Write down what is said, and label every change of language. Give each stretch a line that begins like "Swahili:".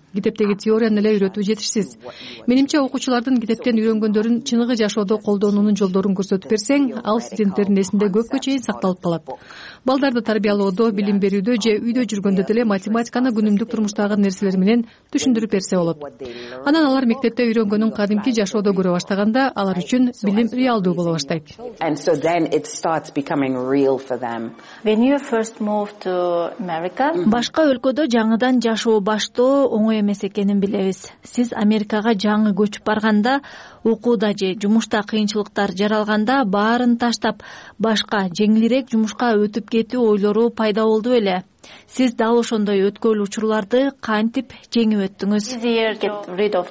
Kyrgyz: Китептеги теорияны эле үйрөтүү жетишсиз. Менимче, окуучулардын китептен үйрөнгөндөрүн чыныгы жашоодо колдонуунун жолдорун көрсөтүп берсең, ал студенттердин эсинде көпкө чейин сакталып калат. Балдарды тарбиялоодо, билим берүүдө же үйдө жүргөндө деле математиканы күнүмдүк турмуштагы нерселер менен түшүндүрүп берсе болот. Анан алар мектепте үйрөнгөнүн кадимки жашоодо көрө баштаганда, алар үчүн билим реалдуу боло баштайт.
English: And so then it starts becoming real for them. When you first moved to America,
Kyrgyz: башка өлкөдө жаңыдан жашоо баштоо оңой эмес экенин билебиз. Сиз Америкага жаңы көчүп барганда, окууда же жумушта кыйынчылыктар жаралганда, баарын таштап башка жеңилирээк жумушка өтүп кетүү ойлору пайда болду беле? Сиз дал ошондой өткөл учурларды кантип жеңип өттүңүз?